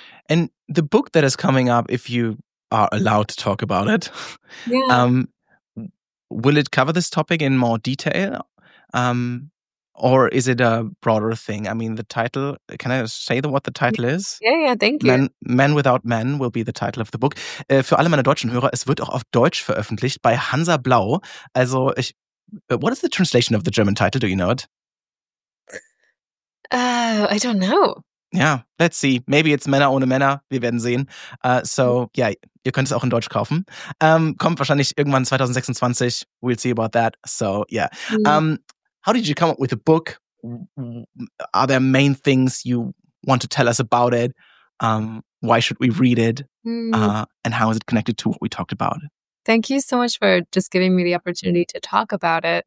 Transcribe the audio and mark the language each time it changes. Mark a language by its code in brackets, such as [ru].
[en] And the book that is coming up, if you are allowed to talk about it, yeah. Will it cover this topic in more detail? Or is it a broader thing? I mean, the title, can I say what the title is? Yeah, thank you. Men Without Men will be the title of the book. [de] Für alle meine deutschen Hörer, es wird auch auf Deutsch veröffentlicht bei Hansa Blau. [en] Also, what is the translation of the German title? Do you know it? I don't know. Yeah, let's see. Maybe it's Männer ohne Männer. [de] Wir werden sehen. So, yeah, ihr könnt es auch in Deutsch kaufen. Kommt wahrscheinlich irgendwann 2026. [en] We'll see about that. So, yeah. How did you come up with a book? Are there main things you want to tell us about it? Why should we read it? And how is it connected to what we talked about? Thank you so much for just giving me the opportunity to talk about it.